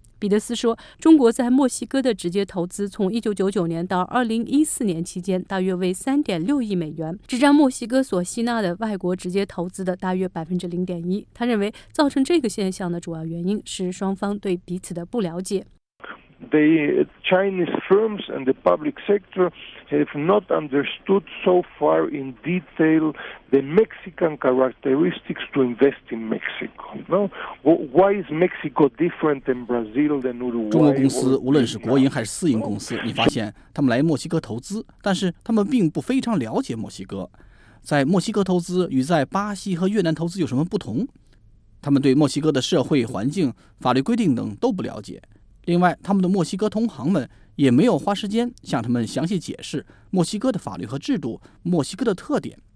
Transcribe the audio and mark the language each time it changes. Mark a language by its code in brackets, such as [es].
[zh] 彼得斯说，中国在墨西哥的直接投资从1999年到2014年期间大约为 3.6 亿美元，只占墨西哥所吸纳的外国直接投资的大约 0.1%。他认为造成这个现象的主要原因是双方对彼此的不了解。 [en] The Chinese firms and the public sector have not understood so far in detail the Mexican characteristics to invest in Mexico. No, why is Mexico different than Brazil than Uruguay? [zh] 中国公司无论是国营还是私营公司，你发现他们来墨西哥投资，但是他们并不非常了解墨西哥。在墨西哥投资与在巴西和越南投资有什么不同？他们对墨西哥的社会环境、法律规定等都不了解。另外，他们的墨西哥同行们也没有花时间向他们详细解释墨西哥的法律和制度、墨西哥的特点。